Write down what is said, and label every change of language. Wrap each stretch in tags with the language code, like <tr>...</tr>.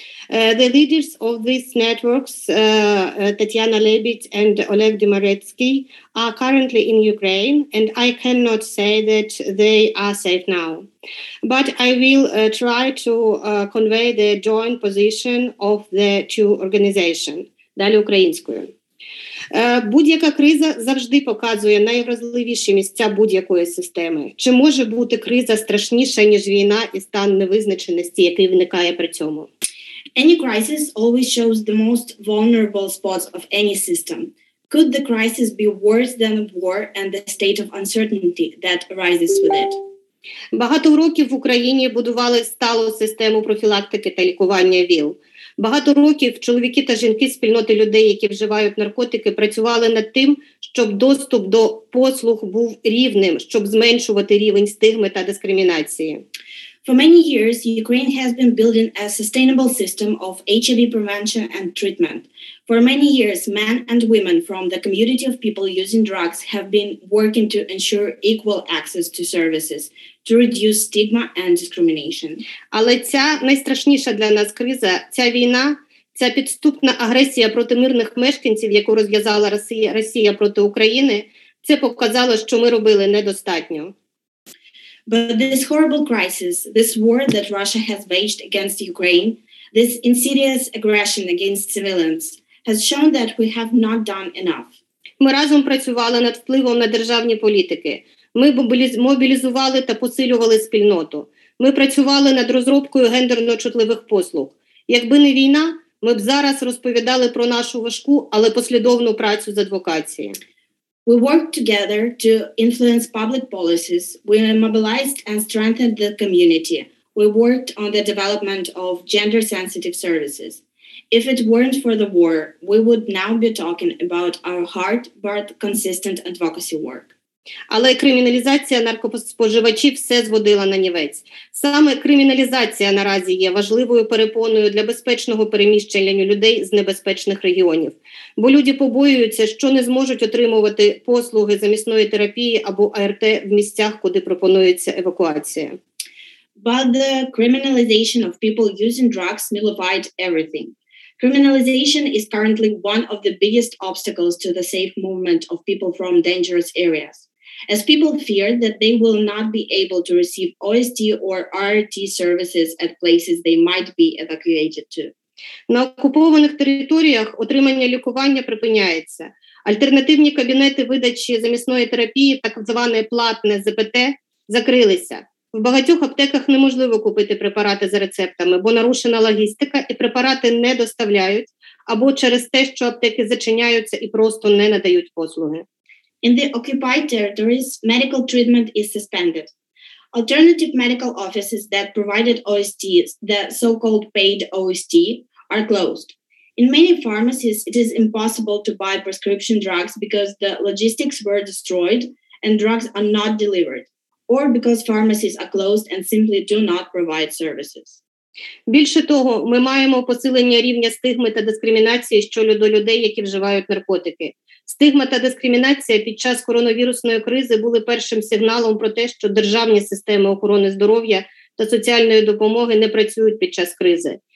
<en>The leaders of these networks, Tatiana Lebedь and Oleg Dymaretsky, are currently in Ukraine, and I cannot say that they are safe now. But I will try to convey the joint position of the two organizations, Dali Ukrainskoye.</en> <uk>Будь-яка криза завжди показує найвразливіші місця будь-якої системи. Чи може бути криза страшніша, ніж війна і стан невизначеності, який виникає при цьому?</uk> <en>Any crisis always shows the most vulnerable spots of any system. Could the crisis be worse than a war and the state of uncertainty that arises with it?</en> <uk>Багато років в Україні будували сталу систему профілактики та лікування ВІЛ. Багато років чоловіки та жінки спільноти людей, які вживають наркотики, працювали над тим, щоб доступ до послуг був рівним, щоб зменшувати рівень стигми та дискримінації.</uk> <en>For many years, Ukraine has been building a sustainable system of HIV prevention and treatment. For many years, men and women from the community of people using drugs have been working to ensure equal access to services, to reduce stigma and discrimination.</en> <uk>Але ця найстрашніша для нас криза, ця війна, ця підступна агресія проти мирних мешканців, яку розв'язала Росія проти України, це показало, що ми робили недостатньо.</uk> <en>But this horrible crisis, this war that Russia has waged against Ukraine, this insidious aggression against civilians, has shown that we have not done enough.</en> <uk>Ми разом працювали над впливом на державні політики. Ми мобілізували та посилювали спільноту. Ми працювали над розробкою гендерно-чутливих послуг. Якби не війна, ми б зараз розповідали про нашу важку, але послідовну працю з адвокації.</uk> <en>We worked together to influence public policies. We mobilized and strengthened the community. We worked on the development of gender-sensitive services. If it weren't for the war, we would now be talking about our hard but consistent advocacy work.</en> <uk>Але криміналізація наркоспоживачів все зводила на нівець. Саме криміналізація наразі є важливою перепоною для безпечного переміщення людей з небезпечних регіонів. Бо люди побоюються, що не зможуть отримувати послуги замісної терапії або АРТ в місцях, куди пропонується евакуація.</uk> <en>But the criminalization of people using drugs nullified everything. Criminalization is currently one of the biggest obstacles to the safe movement of people from dangerous areas. As people fear that they will not be able to receive OST or RT services at places they might be evacuated to.</en> <uk>На окупованих територіях отримання лікування припиняється. Альтернативні кабінети видачі замісної терапії, так зване платне ЗПТ, закрилися. В багатьох аптеках неможливо купити препарати за рецептами, бо нарушена логістика і препарати не доставляють, або через те, що аптеки зачиняються і просто не надають послуги.</uk> <en>In the occupied territories, medical treatment is suspended. Alternative medical offices that provided OST, the so-called paid OST, are closed. In many pharmacies, it is impossible to buy prescription drugs because the logistics were destroyed and drugs are not delivered, or because pharmacies are closed and simply do not provide services.</en> <uk>Більше того, ми маємо посилення рівня стигми та дискримінації щодо людей, які вживають наркотики. Стигма та дискримінація під час коронавірусної кризи були першим сигналом про те, що державні системи охорони здоров'я та соціальної допомоги не працюють під час кризи.</uk>